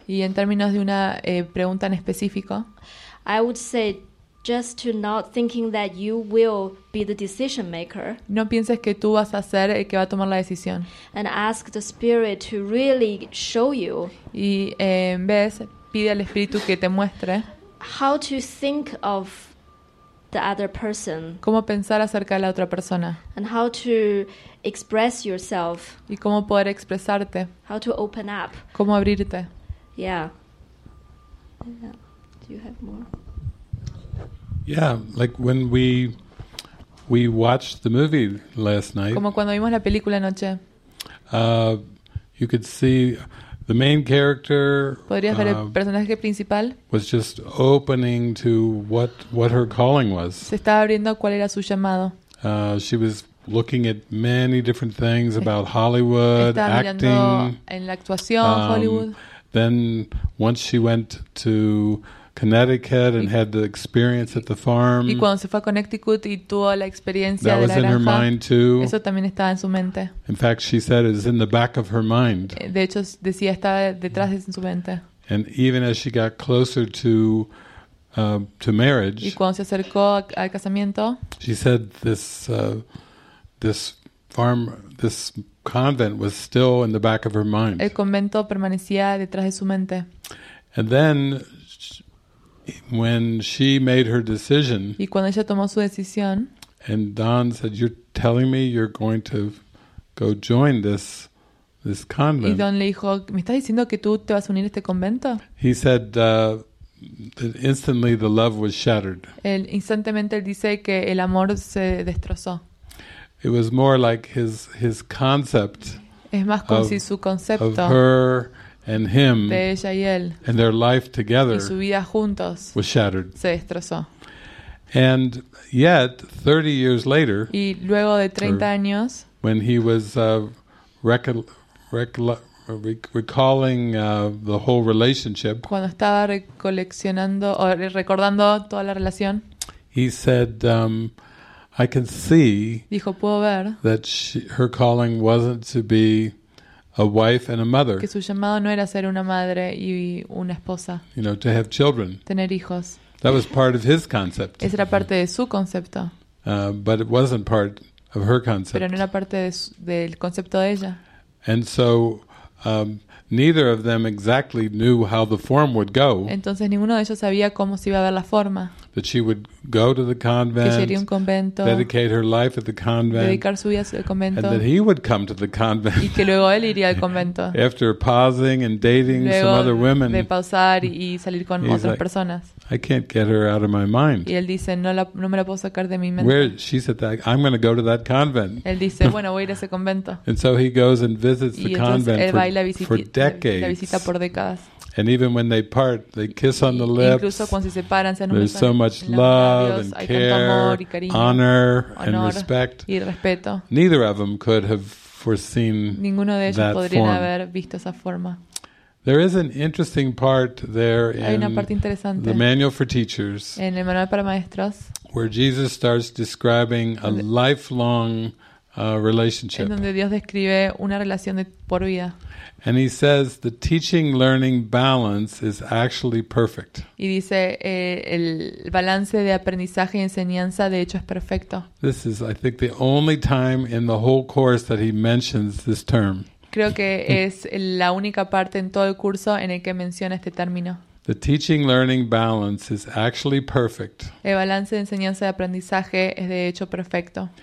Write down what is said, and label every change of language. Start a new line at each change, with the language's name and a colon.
Spanish: y en términos de una pregunta en específico,
English: I would say just to not thinking that you will be the decision maker.
Spanish: No pienses que tú vas a ser el que va a tomar la decisión.
English: And ask the Spirit to really show you.
Spanish: Y en vez pide al Espíritu que te muestre.
English: How to think of the other person.
Spanish: Cómo pensar acerca de la otra persona.
English: And how to express yourself.
Spanish: Y cómo poder expresarte.
English: How to open up.
Spanish: Cómo abrirte.
English: Yeah. Do you have more? Yeah, like when we watched the movie last night.
Spanish: Como cuando vimos la película anoche.
English: You could see the main character.
Spanish: ¿Podrías ver el personaje principal?
English: Was just opening to what her calling was.
Spanish: Se estaba abriendo cuál era su llamado.
English: She was looking at many different things about Hollywood,
Spanish: estaba
English: acting.
Spanish: En la actuación, Hollywood.
English: Then once she went to Connecticut and had the experience at the farm.
Spanish: Y cuando se fue a Connecticut y tuvo la experiencia de la granja.
English: That was in her mind too.
Spanish: Eso también estaba en su mente.
English: In fact, she said it was in the back of her mind.
Spanish: De hecho, decía estaba detrás de su mente.
English: And even as she got closer to marriage.
Spanish: Y cuando se acercó al casamiento.
English: She said this convent was still in the back of her mind.
Spanish: El convento permanecía detrás de su mente.
English: And then when she made her decision,
Spanish: y cuando ella tomó su decisión,
English: and Don said, "You're telling me you're going to go join this convent."
Spanish: Y Don le dijo, "Me estás diciendo que tú te vas a unir a este convento."
English: He said, "Instantly, the love was shattered."
Spanish: El instantemente él dice que el amor se destrozó.
English: It was more like his concept.
Spanish: Es más como si su concepto
English: of her and him,
Spanish: de ella y él,
English: and their life together,
Spanish: y su vida juntos,
English: was shattered.
Spanish: Se destrozó.
English: And yet, 30 years later,
Spanish: y luego de 30 años,
English: when he was recalling the whole relationship,
Spanish: cuando estaba recoleccionando o recordando toda la relación,
English: he said, "I can see,"
Spanish: dijo, "puedo ver,"
English: that her calling wasn't to be a wife and a mother.
Spanish: Que su llamado no era ser una madre y una esposa.
English: You know, to have children.
Spanish: Tener hijos.
English: That was part of his concept.
Spanish: Esa era parte de su concepto.
English: But it wasn't part of her concept.
Spanish: Pero no era parte del concepto de ella.
English: And so neither of them exactly knew how the form would go.
Spanish: Entonces ninguno de ellos sabía cómo se iba a ver la forma.
English: That she would go to the convent,
Spanish: que sería un convento,
English: dedicate her life at the convent,
Spanish: dedicar su vida al convento,
English: and that he would come to the convent.
Spanish: Y que luego él iría al convento.
English: After pausing and dating
Spanish: luego
English: some other women,
Spanish: de pausar y salir con otras,
English: like,
Spanish: personas.
English: I can't get her out of my mind.
Spanish: Y él dice, no me la puedo sacar de mi mente.
English: Where she said that, "I'm going to go to that convent."
Spanish: Él dice, bueno, voy a ir a ese convento.
English: And so he goes and visits
Spanish: y
English: the convent for decades.
Spanish: La visita por décadas.
English: And even when they part, they kiss on the lips.
Spanish: Incluso cuando se separan, se
English: there's so much love and care,
Spanish: amor y cariño,
English: honor and respect.
Spanish: Y respeto.
English: Neither of them could have foreseen
Spanish: ninguno de ellos
English: that
Spanish: podrían
English: form.
Spanish: Haber visto esa forma.
English: There is an interesting part there
Spanish: hay una parte interesante
English: in the manual for teachers,
Spanish: en el manual para maestros,
English: where Jesus starts describing a lifelong relationship.
Spanish: En donde Dios describe una relación de por vida.
English: And he says the teaching-learning balance is actually perfect.
Spanish: Y dice el balance de aprendizaje y enseñanza de hecho es perfecto.
English: This is, I think, the only time in the whole course that he mentions this term.
Spanish: Creo que es la única parte en todo el curso en el que menciona este término.
English: The teaching-learning balance is actually perfect.
Spanish: El balance de enseñanza y aprendizaje es de hecho perfecto.